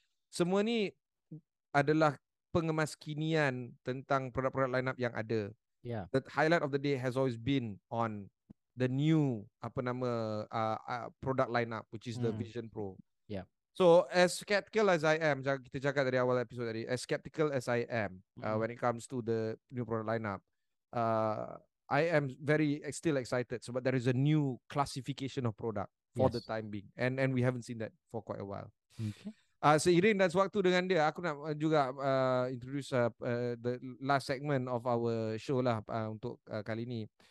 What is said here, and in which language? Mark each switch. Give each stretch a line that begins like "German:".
Malay: Semua ni adalah pengemaskinian tentang produk-produk lineup yang ada. Yeah.
English: The highlight of the day has always been on the new
Malay: apa nama
English: product lineup, which is the Vision Pro. Yeah. So as skeptical as I am,
Malay: kita cakap dari awal episod tadi,
English: as skeptical as I am when it comes to the new product lineup, I am very still excited. So but there is a new classification of product for the time being, and we haven't seen that for quite a while. Okay.
Malay: Seiring dan sewaktu dengan dia, aku nak juga
English: introduce the last segment of our show
Malay: lah untuk kali ini.